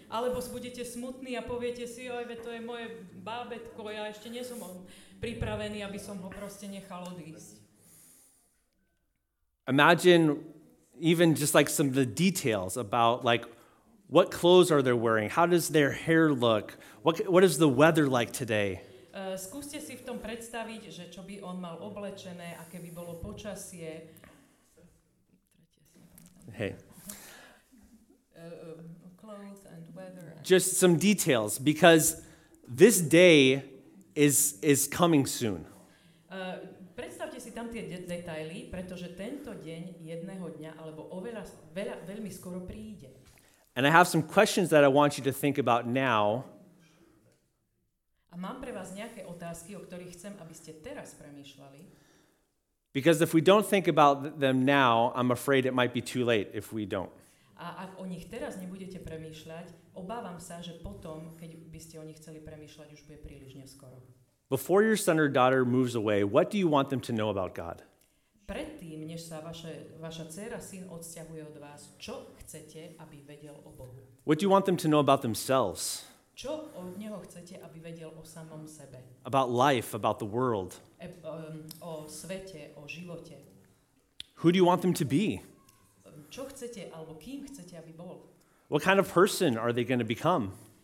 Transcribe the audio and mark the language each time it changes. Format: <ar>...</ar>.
<sk>Alebo budete smutní a poviete si, oj, veď to je moje bábetko, ja ešte nie som pripravený, aby som ho proste nechal odísť.</sk> <en>Imagine even just like some of the details about like what clothes are they wearing? How does their hair look? What is the weather like today?</en> <sk>Skúste si v tom predstaviť, že čo by on mal oblečené, aké by bolo počasie.</sk> <en>Hey. Clothes and weather. Just some details, because this day is coming soon.</en> <sk>Predstavte si tam tie detaily, pretože tento deň jedného dňa alebo oveľa veľa, veľmi skoro príde.</sk> <en>And I have some questions that I want you to think about now.</en> <sk>A mám pre vás nejaké otázky, o ktorých chcem, aby ste teraz premýšľali.</sk> <en>Because if we don't think about them now, I'm afraid it might be too late if we don't.</en> <sk>A ak o nich teraz nebudete premýšľať, obávam sa, že potom, keď by ste o nich chceli premýšľať, už bude príliš neskoro.</sk> <en>Before your son or daughter moves away, what do you want them to know about God?</en> <sk>Predtým, než sa vaša dcéra, syn odsťahuje od vás, čo chcete, aby vedel o Bohu?</sk> <en>What do you want them to know about themselves?</en> <sk>Čo od neho chcete, aby vedel o samom sebe?</sk> <en>About life, about the world.</en> <sk>O svete, o živote.</sk> <en>Who do you want them to be?</en> <sk>Čo chcete, alebo kým chcete, aby bol?</sk> <en>What kind of person are they going to become?</en>